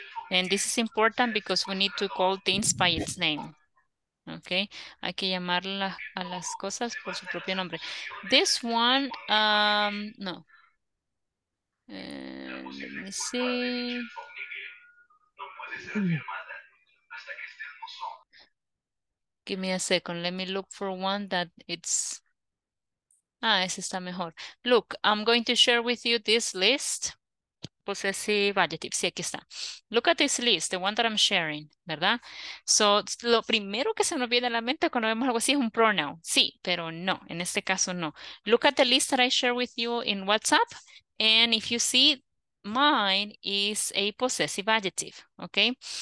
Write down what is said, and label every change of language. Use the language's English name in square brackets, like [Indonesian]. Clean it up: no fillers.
[English] And this is important because we need to call things by its name. [Spanish] Okay, hay que llamar a las cosas por su propio nombre. [English] This one, no. Let me see. Give me a second. Let me look for one that it's... [Spanish] ese está mejor. [English] Look, I'm going to share with you this list. Possessive adjectives. [Spanish] Sí, aquí está. [English] Look at this list, the one that I'm sharing, [Spanish] ¿verdad? So, lo primero que se nos viene a la mente cuando vemos algo así es un pronoun. Sí, pero no, en este caso no. [English] Look at the list that I share with you in WhatsApp, and if you see, mine is a possessive adjective, ¿ok?